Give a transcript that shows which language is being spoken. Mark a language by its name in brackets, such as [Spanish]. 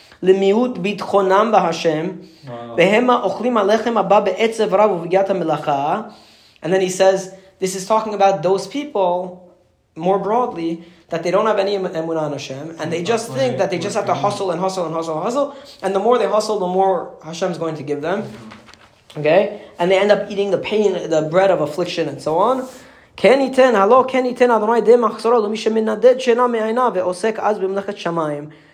[Hebrew] למיעוט ביטחונם בהשם, והם האוכלים הלחם הבא בעצב רב ובגיעת המלאכה. [English] And then he says, this is talking about those people, more broadly, that they don't have any emunah in Hashem, and they just think that they just have to hustle and hustle and hustle and hustle, and the more they hustle, the more Hashem is going to give them. Okay? And they end up eating the pain, the bread of affliction, and so on. [Hebrew] כן ייתן, הלא, כן ייתן, אדוני די מחסורו, למי שמנדד שינה מעינה, ועוסק אז במלאכת שמיים.